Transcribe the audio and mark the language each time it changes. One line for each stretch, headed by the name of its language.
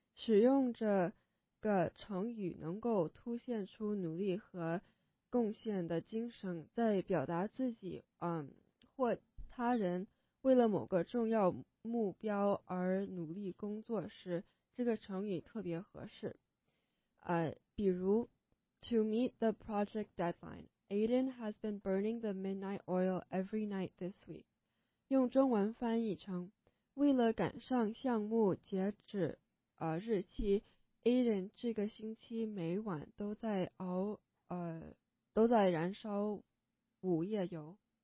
Chinese: 使用这个成语能够凸显出努力和贡献的精神，在表达自己或他人为了某个重要目标而努力工作时，这个成语特别合适。
English: 比如 To meet the project deadline, Aiden has been burning the midnight oil every night this week.
Chinese: 用中文翻译成为了赶上项目截止日期， Aiden 这个星期每晚都在熬都在燃烧午夜油。